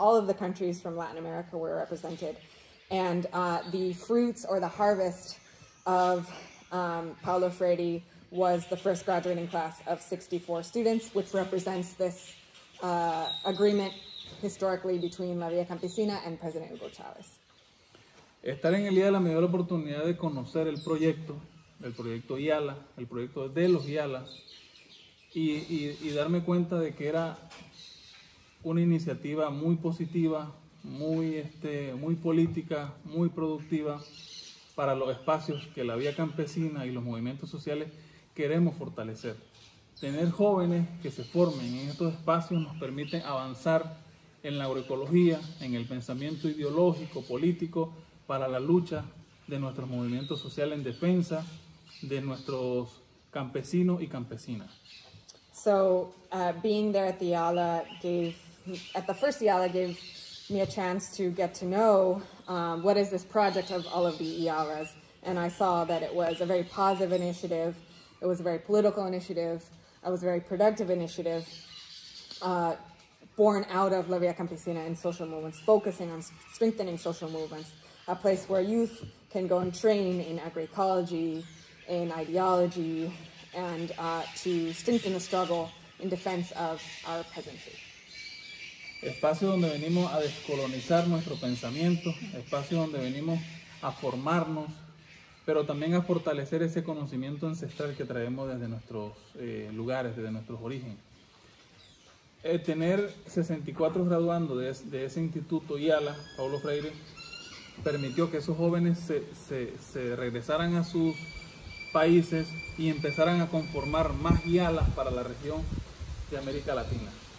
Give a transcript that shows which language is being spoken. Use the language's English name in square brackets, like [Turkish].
[English] All of the countries from Latin America were represented. And the fruits or the harvest of Paulo Freire was the first graduating class of 64 students, which represents this agreement historically between La Vía Campesina and President Hugo Chávez. [Spanish] Estar en el IALA me dio la oportunidad de conocer el proyecto IALA, el proyecto de los IALAs, y darme cuenta de que era una iniciativa muy positiva, muy política, muy productiva para los espacios que la Vía Campesina y los movimientos sociales queremos fortalecer. Tener jóvenes que se formen en estos espacios nos permite avanzar en la agroecología, en el pensamiento ideológico, político, para la lucha de nuestros movimientos sociales en defensa de nuestros campesinos y campesinas. [English] So being there at the Yala gave, at the first Yala, gave me a chance to get to know what is this project of all of the Yalas. And I saw that it was a very positive initiative. It was a very political initiative. It was a very productive initiative born out of La Vía Campesina and social movements, focusing on strengthening social movements, a place where youth can go and train in agroecology, in ideology, and to strengthen the struggle in defense of our peasantry. [Spanish] Espacio donde venimos a descolonizar nuestro pensamiento, espacio donde venimos a formarnos, pero también a fortalecer ese conocimiento ancestral que traemos desde nuestros lugares, desde nuestros orígenes. Tener 64 graduandos de ese instituto IALA, Paulo Freire, permitió que esos jóvenes se regresaran a sus países y empezaran a conformar más IALAs para la región de América Latina.